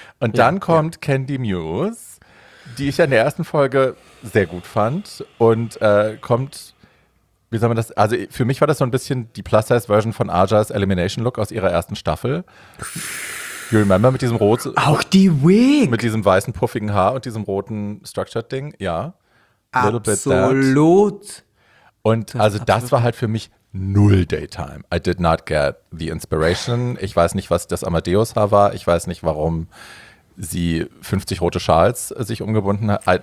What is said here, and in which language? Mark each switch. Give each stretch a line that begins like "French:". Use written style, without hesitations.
German: Und ja, dann kommt ja Candy Muse, die ich ja in der ersten Folge sehr gut fand und kommt, wie soll man das, also für mich war das so ein bisschen die Plus-Size-Version von Aja's Elimination-Look aus ihrer ersten Staffel.
English: You remember
German: mit diesem roten... Auch die Wig! Mit diesem weißen puffigen Haar und diesem roten Structured-Ding, ja. Absolut.
English: Little bit
German: und also das war halt für mich... Null Daytime.
English: I did not get the inspiration.
German: Ich weiß nicht, was das Amadeus-Haar war. Ich weiß nicht, warum sie 50 rote Schals sich umgebunden hat.